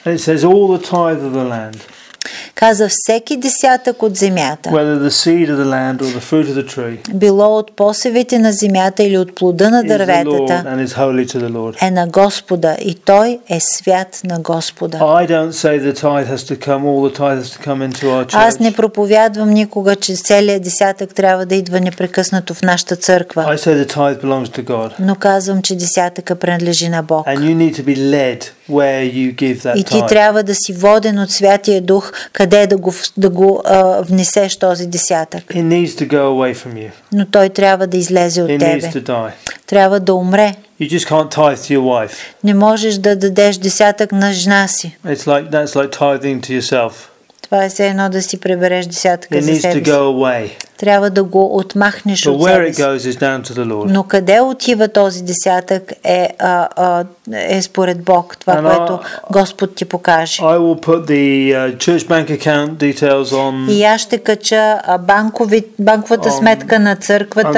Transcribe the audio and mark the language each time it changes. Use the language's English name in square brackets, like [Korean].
[English] It says all the tithe of the land. [Bulgarian] Каза всеки десятък от земята. [English] Whether the seed of the land or the fruit of the tree. [Bulgarian] Било от посевите на земята или от плода на дърветата. [English] And is holy to the Lord. [Bulgarian] Е на Господа и той е свят на Господа. [English] I don't say the tithe has to come, all the tithe has to come into our church. [Bulgarian] Аз не проповядвам никога, че целият десятък трябва да идва непрекъснато в нашата църква. [English] I say the tithe belongs to God. [Bulgarian] Но казвам, че десятъка принадлежи на Бог. [English] And you need to be led where you give that tithe. [Bulgarian] И ти трябва да си воден от Святия Дух, къде да го внесеш този десятък. [English] It needs to go away from you. [Bulgarian] Но той трябва да излезе от тебе. [English] It needs to die. [Bulgarian] Трябва да умре. [English] You just can't tithe to your wife. [Bulgarian] Не можеш да дадеш десятък на жена си. [English] It's like, that's like tithing to yourself. [Bulgarian] Това е все едно да си прибереш десятъка за себе си. [English] It needs to go away. [Bulgarian] Трябва да го отмахнеш от себе си. Но къде отива този десятък е според Бог, това, [English] and [Bulgarian] което Господ ти покаже. [English] I will put the church bank account details on, [Bulgarian] и аз ще кача банковата сметка на църквата